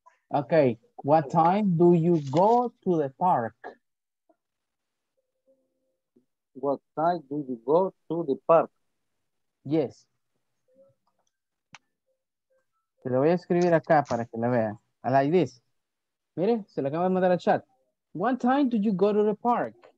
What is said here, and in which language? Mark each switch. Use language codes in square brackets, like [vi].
[en] Okay, what time do you go to the park? What time do you go to the park? Yes. [es] Se lo voy a escribir acá para que la vea. [en] I like this. [es] Mire, se lo acabo de mandar al chat. [en] What time do you go to the park?